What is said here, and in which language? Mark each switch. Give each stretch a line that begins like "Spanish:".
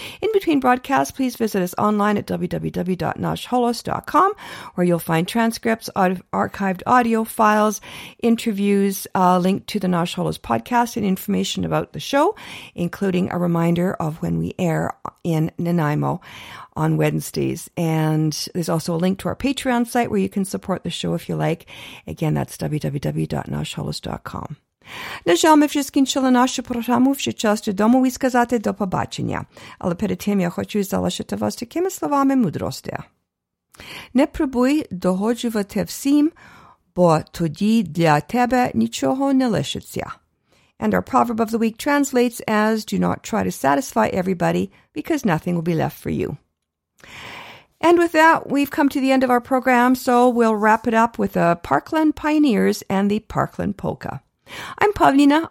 English: In between broadcasts, please visit us online at www.nashholos.com, where you'll find transcripts, archived audio files, interviews, a link to the Nash Holos podcast, and information about the show, including a reminder of when we air in Nanaimo on Wednesdays. And there's also a link to our Patreon site where you can support the show if you like. Again, that's www.nashholos.com.
Ukrainian: На жаль, ми вже скінчили нашу програму. Вже час додому і сказати до побачення. Але перед тим я хочу залишити вас такими словами мудрості. Не пробуй догоджувати всім, бо тоді для тебе нічого не лишиться.
English: And our proverb of the week translates as, do not try to satisfy everybody because nothing will be left for you. And with that, we've come to the end of our program, so we'll wrap it up with the Parkland Pioneers and the Parkland Polka. I'm Pavlina.